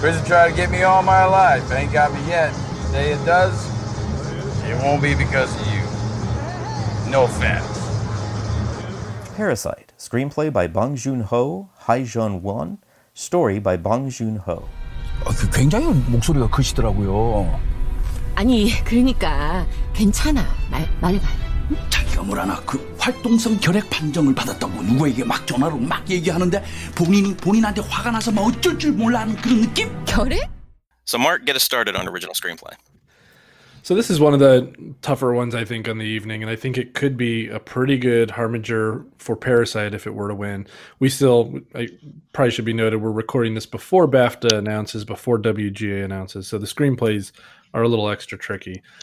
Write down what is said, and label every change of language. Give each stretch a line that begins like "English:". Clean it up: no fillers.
English: Prison tried to get me all my life. Ain't got me yet. Today it does. It won't be because of you. No offense. Parasite, screenplay by Bong Joon-ho, Hai Jeon-won, story by Bong Joon-ho.
Korean: 굉장히 목소리가 크시더라고요. 아니, 그러니까 괜찮아. 말해봐요. 자기가 뭘 하나 그 활동성 결핵 판정을 받았다고 누구에게 막 전화로 막 얘기하는데 본인한테 화가 나서 막 어쩔 줄 몰라하는 그런 느낌? 결핵?
English: So Mark, get us started on original screenplay. So this is one of the tougher ones, I think, on the evening, and I think it could be a pretty good harbinger for Parasite if it were to win. We still, I probably should be noted, we're recording this before BAFTA announces, before WGA announces, so the screenplays are a little extra tricky.